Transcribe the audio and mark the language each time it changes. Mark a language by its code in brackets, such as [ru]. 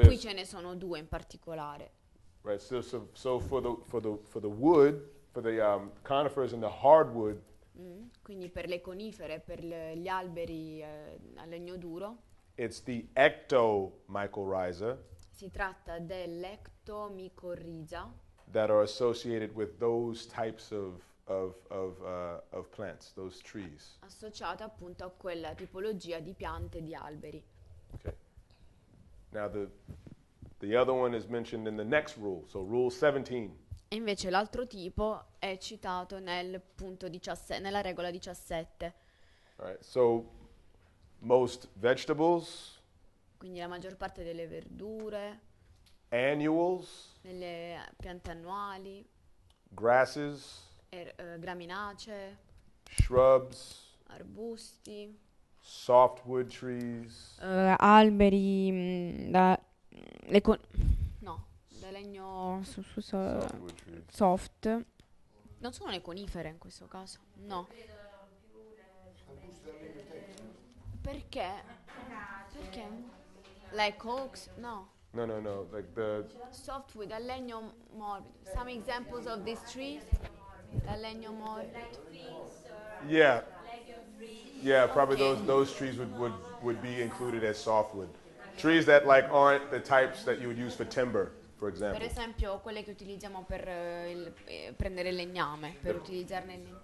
[it] e qui ce ne sono due in particolare. [en] Right, so for the wood, for the conifers and the hardwood. [it] Quindi per le conifere, per gli alberi a legno duro. [en] It's the ecto mycorrhiza. [it] Si tratta dell'ectomicorrhiza. [en] That are associated with those types of plants, those trees. [it] Associata appunto a quella tipologia di piante, di alberi. [en] Okay. Now the other one is mentioned in the next rule, so rule 17. [it] E invece l'altro tipo è citato nel punto 17, nella regola 17. [en] All right. So most vegetables. [it] Quindi la maggior parte delle verdure. [en] Annuals. [it] Nelle piante annuali. [en] Grasses. [it] Graminacee. [en] Shrubs. [it] Arbusti. [en] Softwood trees. [it] Alberi da da legno soft. Non sono le conifere in questo caso. No. Perché? Perché? [en] Like oaks? No. No, like the softwood, [it] dal legno morbido. [en] Some examples of these trees, dal legno morbido. Yeah, probably okay. those trees would be included as softwood. Trees that like aren't the types that you would use for timber, for example. [it] Per esempio, quelle che utilizziamo per prendere legname, per utilizzarne il legname.